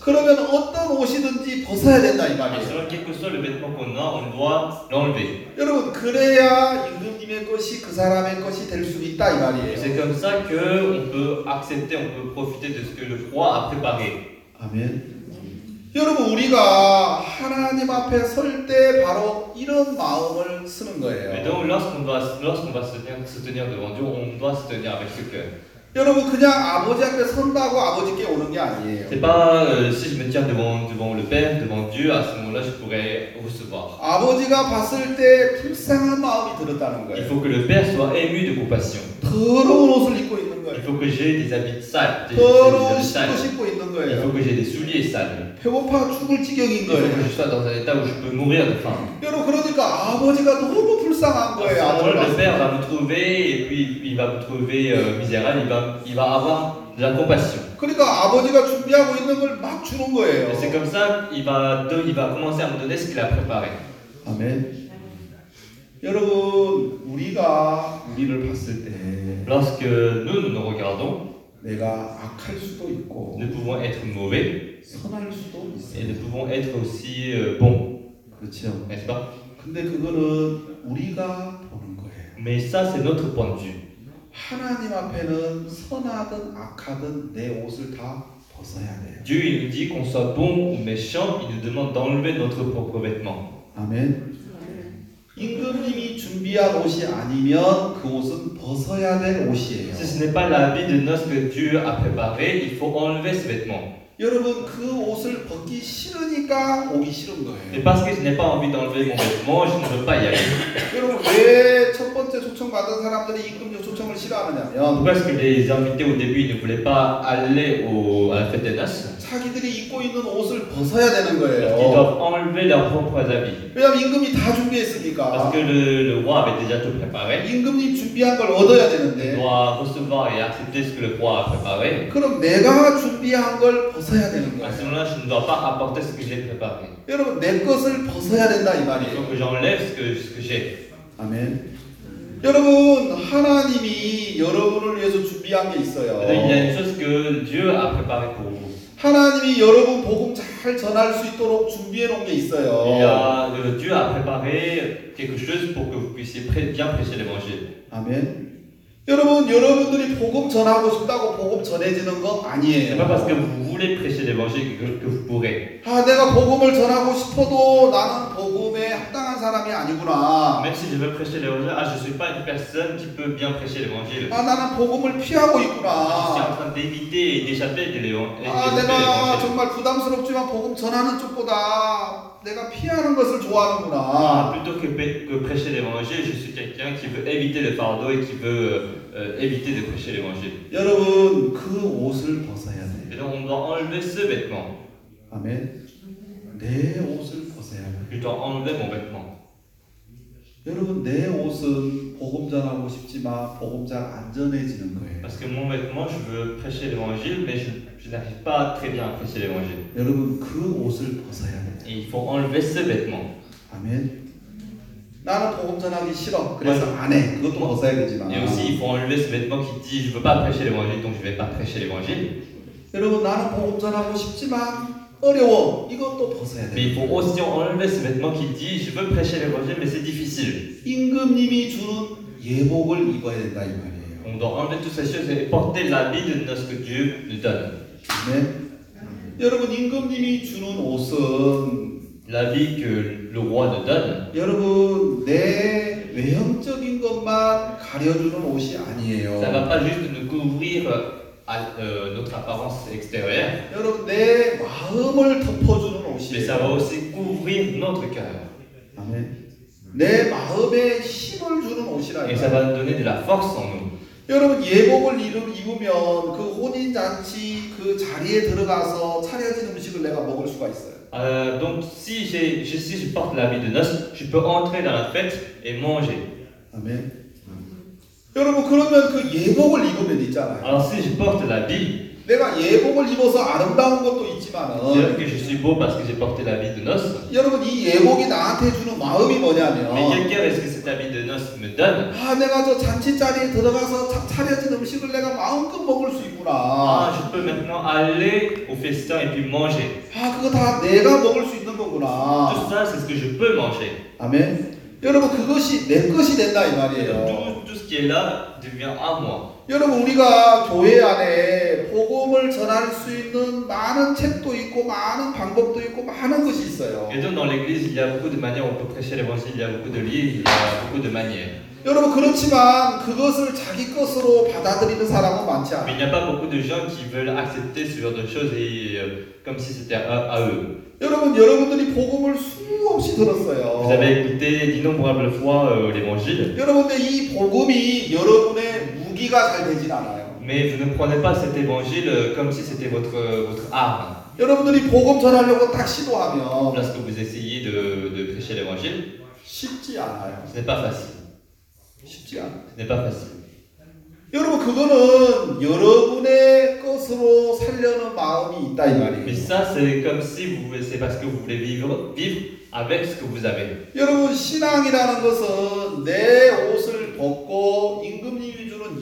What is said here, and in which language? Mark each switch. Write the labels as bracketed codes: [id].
[ko] 그러면 어떤 옷이든지 벗어야 된다 이 말이에요. [fr] Selon quel que soit le vêtement qu'on a, on doit l'enlever. [ko] 여러분 그래야 임금님의 것이 그 사람의 것이 될 수 있다 이 말이에요. [fr] C'est comme ça que on peut accepter, on peut profiter de ce que le roi a préparé. [ko] 아멘. 여러분 우리가 하나님 앞에 설 때 바로 이런 마음을 쓰는 거예요. [fr] Lorsqu'on va se tenir devant Dieu, on doit se tenir avec ce cœur. [ko] 여러분 그냥 아버지 앞에 선다고 아버지께 오는 게 아니에요. [fr] C'est pas si je me tiens devant le Père, devant Dieu, à ce moment-là, je pourrais recevoir. [ko] 아버지가 봤을 때 불쌍한 마음이 들었다는 거예요. [fr] Il faut que le Père soit ému de compassion. [ko] 더러운 옷을 입고 있는 거예요. [fr] Il faut que j'ai des habits sales. [ko] 더러운 신고 싶고 있는 거예요. [fr] Il faut que j'ai des souliers sales. [ko] 배고파 죽을 지경인 거예요. [fr] Il faut que je sois dans un état où je peux mourir de faim. [ko] 여러분 그러니까 아버지가 너무 불쌍한 거예요. 아들 [fr] le Père va me trouver et puis il va me trouver misérable. Il va avoir de la compassion. [ko] 그러니까 아버지가 준비하고 있는 걸 막 주는 거예요. [fr] C'est comme ça, il va commencer à me donner ce qu'il a préparé. Amen. [ko] 여러분, 우리가 우리를 봤을 때, [fr] lorsque nous nous regardons, [ko] 내가 악할 수도 있고, [fr] nous pouvons être mauvais, [ko] 선할 수도 있어. [fr] Et nous pouvons être aussi bon. [ko] 그렇죠. [fr] N'est-ce pas? [ko] 근데 그거는 우리가 보는 거예요. [fr] Mais ça, c'est notre point de vue. [ko] 하나님 앞에는 선하든 악하든 내 옷을 다 벗어야 돼. [fr] Dieu il nous dit qu'on soit bon ou méchant, il nous demande d'enlever notre propre vêtement. [ko] 아멘. 임금님이 준비한 옷이 아니면 그 옷은 벗어야 될 옷이에요. [fr] Si ce n'est pas l'habit de noces que Dieu a préparé, il faut enlever ce vêtement. [ko] 여러분 그 옷을 벗기 싫으니까 오기 싫은 거예요. [fr] Mais parce que je n'ai pas envie d'enlever mon vêtement, je ne veux pas y aller. [ko] 여러분 왜 첫 번째 초청 받은 사람들이 임금님 초청을 싫어하느냐면? [fr] Parce que les invités au début ne voulaient pas aller à la fête des noces. [ko] 자기들이 입고 있는 옷을 벗어야 되는 거예요. [fr] Ils doivent enlever leurs propres habits. [ko] 왜냐면 임금이 다 준비했으니까. [fr] Parce que le roi avait déjà tout préparé. [ko] 임금님 준비한 걸 얻어야 되는데. [fr] Il doit recevoir et accepter ce que le roi a préparé. [ko] 그럼 내가 준비한 걸 벗어야 되는 거예요. [fr] À ce moment-là, je ne dois pas apporter ce que j'ai préparé. [ko] 여러분 내 것을 벗어야 된다 이 말이에요. [fr] Il faut que j'enlève ce que j'ai. [ko] 아멘. 여러분 하나님이 여러분을 위해서 준비한 게 있어요. [fr] Il y a une chose que Dieu a préparé pour vous. [ko] 하나님이 여러분 복음 잘 전할 수 있도록 준비해 놓은 게 있어요. [fr] Dieu a préparé quelque chose pour que vous puissiez bien prêcher l'évangile. [ko] 아멘. 여러분 여러분들이 복음 전하고 싶다고 복음 전해지는 거 아니에요. [fr] C'est pas parce que vous voulez prêcher l'évangile que vous pourrez. [ko] 아, 내가 복음을 전하고 싶어도 나는 복음에 합당한 사람이 아니구나. [fr] Même si je veux prêcher l'évangile, je suis pas une personne qui peut bien prêcher l'évangile. [ko] 아, 나는 복음을 피하고 있구나. [fr] Je suis en train d'éviter et d'échapper de l'évangile. [ko] 아, 내가 정말 부담스럽지만 복음 전하는 쪽보다 내가 피하는 것을 좋아하는구나. [fr] Plutôt que prêcher l'évangile, je suis quelqu'un qui veut éviter le fardeau et qui veut éviter de prêcher l'évangile. [ko] 여러분, 그 옷을 벗어야 돼. [fr] Et donc, on doit enlever ce vêtement. [ko] 아멘. 내 옷을 벗어야 돼. [fr] Il doit enlever mon vêtement. [ko] 여러분, 내 옷은 복음 전하고 싶지만 복음 잘 안 전해지는 거예요. [fr] Parce que mon vêtement, je veux prêcher l'évangile, mais je n'arrive pas très bien à prêcher l'évangile. [ko] 여러분, 그 옷을 벗어야 돼. [fr] Et il faut enlever ce vêtement. [ko] 아멘. 나는 복음 전하기 싫어. 그래서 안 해. 그것도 벗어야 되지만. [fr] Et aussi, il faut enlever ce vêtement qui dit, je veux pas prêcher l'évangile, donc je vais pas prêcher l'évangile. [ko] 여러분, 나는 복음 전하고 싶지만 어려워. 이것도 벗어야 돼. [fr] Mais il faut aussi enlever ce vêtement qui dit je veux prêcher l'évangile mais c'est difficile. [ko] 임금님이 주는 예복을 입어야 된다 이 말이에요. [fr] On doit enlever toutes ces choses et porter l'habit de noces que Dieu nous donne. [ko] 네. 여러분 임금님이 주는 옷은 [fr] l'habit que le roi nous donne. [ko] 여러분 내 외형적인 것만 가려주는 옷이 아니에요. [fr] Ça va pas juste nous couvrir. Notre apparence extérieure. [ko] 여러분 내 마음을 덮어주는 옷이. [fr] Mais ça va aussi couvrir notre cœur. [ko] 아멘. 내 마음에 힘을 주는 옷이라. [fr] Et ça va nous donner de la force en nous. [ko] 여러분 예복을 입으면 그 혼인 잔치 그 자리에 들어가서 차려진 음식을 내가 먹을 수가 있어요. [fr] Donc si je porte l'habit de noces, je peux entrer dans la fête et manger. [ko] 아멘. 여러분 그러면 그 예복을 입으면 있잖아요. [fr] Alors si je porte l'habit. [ko] 내가 예복을 입어서 아름다운 것도 있지만은. [fr] C'est vrai que je suis beau parce que j'ai porté l'habit de noces. [ko] 여러분 이 예복이 나한테 주는 마음이 뭐냐면. [fr] Mais quel cœur est-ce que cet habit de noces me donne? [ko] 아 내가 저 잔치 자리에 들어가서 차려진 음식을 내가 마음껏 먹을 수 있구나. [fr] Ah, je peux maintenant aller au festin et puis manger. [ko] 아 그거 다 내가 먹을 수 있는 거구나. [fr] Tout ça, c'est ce que je peux manger. [ko] 아멘. 여러분 그것이 내 것이 된다 이 말이에요. [fr] Là devient à moi. [ko] 여러분 우리가 교회 안에 복음을 전할 수 있는 많은 책도 있고 많은 방법도 있고 많은 것이 있어요. [fr] Et donc dans l'église il y a beaucoup de manières on peut prêcher l'évangile, il y a beaucoup de livres, il y a beaucoup de manières. [ko] 여러분 그렇지만 그것을 자기 것으로 받아들이는 사람은 많지 않아요. [fr] Il n'y a pas beaucoup de gens qui veulent accepter ce genre de choses comme si c'était à eux. [ko] 여러분 여러분들이 복음을 수없이 들었어요. [fr] Vous avez écouté d'innombrables fois l'évangile. [ko] 여러분들 이 복음이 여러분의 무기가 잘 되지 않아요. [fr] Mais vous ne prenez pas cet évangile comme si c'était votre arme. [ko] 여러분들이 복음 전하려고 딱 시도하면 [fr] Lorsque vous essayez de prêcher l'évangile. [ko] 쉽지 않아요. [fr] Ce n'est pas facile. [ko] 쉽지 않아. [fr] Ce n'est pas facile. [ko] 여러분 그거는 여러분의 것으로 살려는 마음이 있다 이 말이에요. [fr] Mais ça c'est comme si vous c'est parce que vous voulez vivre avec ce que vous avez. [ko] 여러분 신앙이라는 것은 내 옷을 벗고 임금님이 주는